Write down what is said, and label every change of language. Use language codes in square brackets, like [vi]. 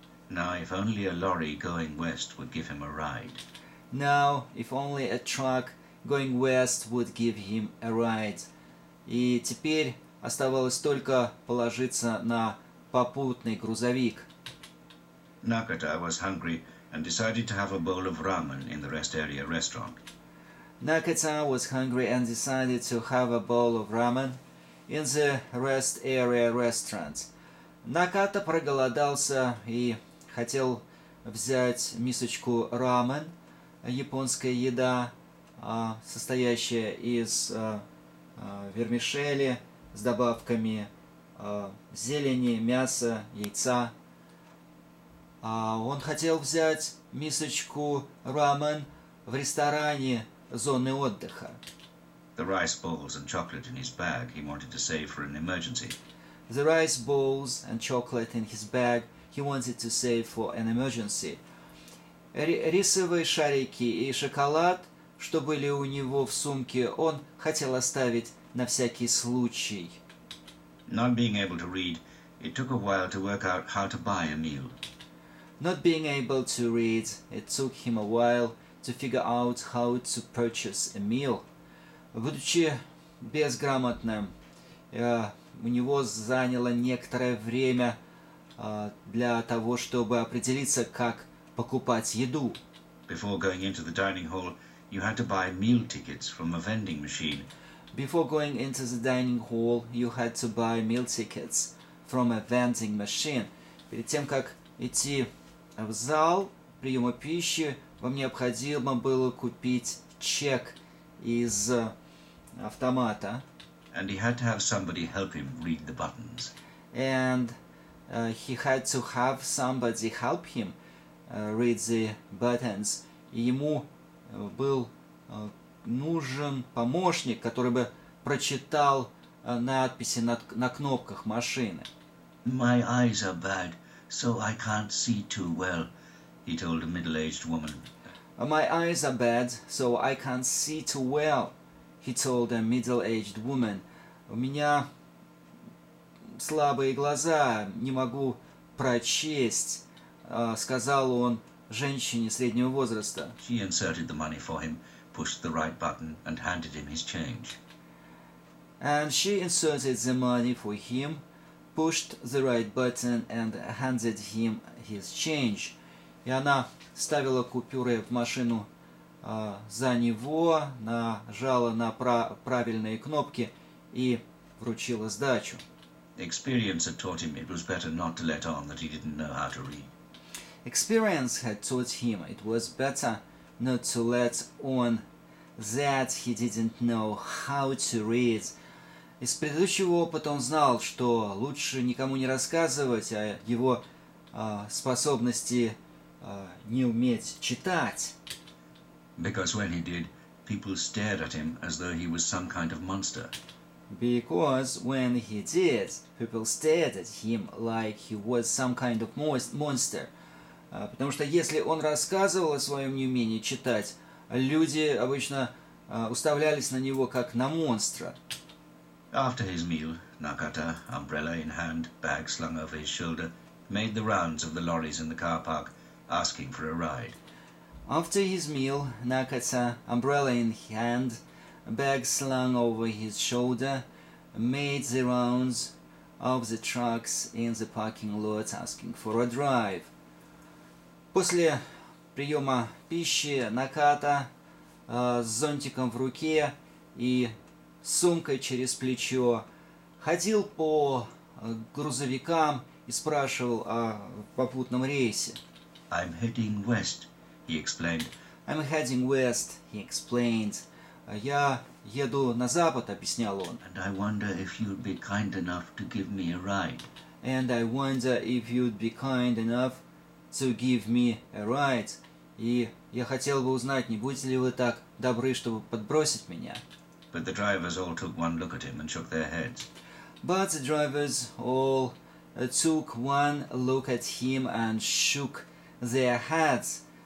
[en] Now, if only a lorry going west would give him a ride. Now, if only a truck going west would give him a ride. [ru] И теперь оставалось только положиться на попутный грузовик. [en] Nakata was hungry and decided to have a bowl of ramen in the rest area restaurant. Nakata was hungry and decided to have a bowl of ramen in the rest area restaurant. [ru] Nakata проголодался и хотел взять мисочку рамен, японская еда, состоящая из вермишели с добавками зелени, мяса, яйца. Он хотел взять мисочку рамен в ресторане зоны отдыха. [en] The rice balls and chocolate in his bag he wanted to save for an emergency. The rice balls and chocolate in his bag he wanted to save for an emergency. [ru] Рисовые шарики и шоколад, что были у него в сумке, он хотел оставить на всякий случай. [en] Not being able to read, it took a while to work out how to buy a meal. Not being able to read, it took him a while to figure out how to purchase a meal. [ru] Будучи безграмотным, у него заняло некоторое время для того, чтобы определиться, как покупать еду. [en] Before going into the dining hall, you had to buy meal tickets from a vending machine. Before going into the dining hall, you had to buy meal tickets from a vending machine. [ru] Перед тем, как идти в зал приема пищи, вам необходимо было купить чек из автомата. [en] And he had to have somebody help him read the buttons. And he had to have somebody help him read the buttons. [ru] И ему был нужен помощник, который бы прочитал надписи на кнопках машины. [en] My eyes are bad, so I can't see too well, he told a middle-aged woman. My eyes are bad, so I can't see too well, he told a middle-aged woman. [ru] У меня слабые глаза, не могу прочесть, сказал он женщине среднего возраста. [en] She inserted the money for him, pushed the right button, and handed him his change. And she inserted the money for him, pushed the right button, and handed him his change. [ru] И она ставила купюры в машину за него, нажала на правильные кнопки и вручила сдачу. [en] Experience had taught him it was better not to let on that he didn't know how to read. Experience had taught him it was better not to let on that he didn't know how to read. [ru] Из предыдущего опыта он знал, что лучше никому не рассказывать о его способности не уметь читать. [en] Because when he did, people stared at him as though he was some kind of monster. Because when he did, people stared at him like he was some kind of monster. [ru] Потому что если он рассказывал о своем неумении читать, люди обычно уставлялись на него как на монстра. [en] After his meal, Nakata, umbrella in hand, bag slung over his shoulder, made the rounds of the lorries in the car park, asking for a ride. After his meal, Nakata, umbrella in hand, bag slung over his shoulder, made the rounds of the trucks in the parking lot asking for a drive. [ru] После приема пищи Наката с зонтиком в руке и сумкой через плечо ходил по грузовикам и спрашивал о попутном рейсе. [en] I'm heading west, he explained. I'm heading west, he explained. [ru] Я еду на запад, объяснял он. [en] And I wonder if you'd be kind enough to give me a ride. And I wonder if you'd be kind enough to give me a ride. [ru] И я хотел бы узнать, не будете ли вы так добры, чтобы подбросить меня. [en] But the drivers all took one look at him and shook their heads. But the drivers all took one look at him and shook their heads.